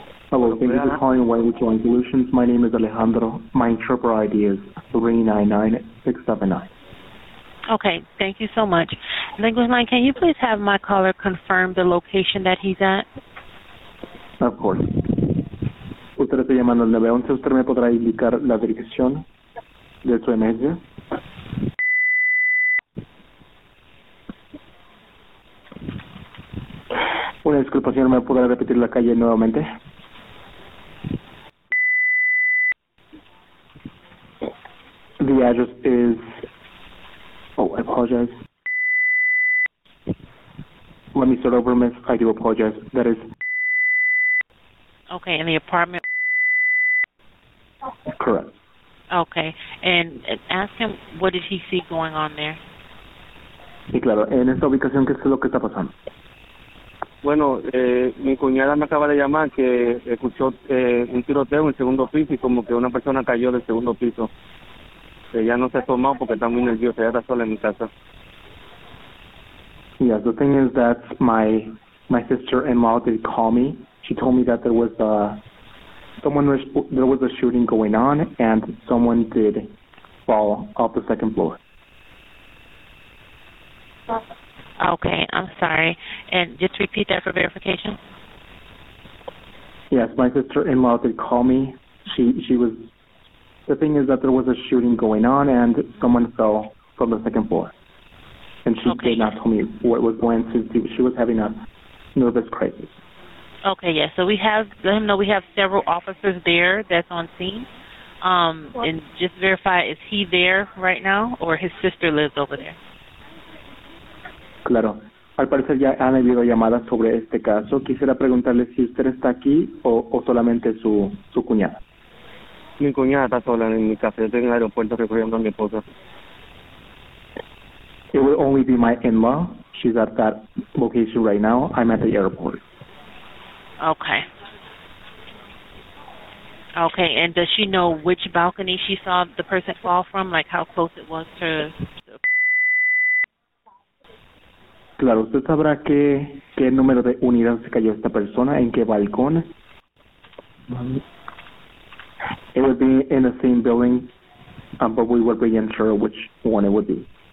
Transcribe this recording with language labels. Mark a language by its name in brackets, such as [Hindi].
[English] Hello, thank you for calling Whitewood Joint Solutions. My name is Alejandro. My interpreter ID is 399-679. Okay, thank you so much. Language line, can you please have my caller confirm the location that he's at? Of course. [Spanish] Usted está llamando al 911. Usted me podrá indicar la dirección de su emergencia? Una disculpa, señor, ¿me podrá repetir la calle nuevamente? [English] The address is... Oh, I apologize. Let me start over, miss. I do apologize. That is... Okay, in the apartment? Correct. Okay, and ask him, what did he see going on there? [Spanish] Sí, claro. En esta ubicación, ¿qué es lo que está pasando? Bueno, mi cuñada me acaba de llamar que escuchó un tiroteo en el segundo piso y como que una persona cayó del segundo piso. Ella no se ha tomado porque está muy nerviosa, ella está sola en mi casa. [English] Yes, the thing is that my sister-in-law did call me. She told me that there was a shooting going on and someone did fall off the second floor. Okay, I'm sorry. And just repeat that for verification. Yes, my sister-in-law did call me. She was... The thing is that there was a shooting going on and someone fell from the second floor. And she okay. did not tell me what was going to do. She was having a nervous crisis. Okay, yes. Yeah, so we have... Let him know we have several officers there that's on scene. And just verify, is he there right now or his sister lives over there? [Spanish] Claro. Al parecer ya han habido llamadas sobre este caso. Quisiera preguntarle si usted está aquí o solamente su cuñada. Mi cuñada está sola en mi casa. Yo estoy en el aeropuerto recogiendo a mi esposa. [English] It will only be my in-law. She's at that location right now. I'm at the airport. Okay. Okay, and does she know which balcony she saw the person fall from, like how close it was to... [Spanish] Claro, usted sabrá qué número de unidad se cayó esta persona, en qué balcón. [English] It would be in the same building, but we would be unsure which one it would be.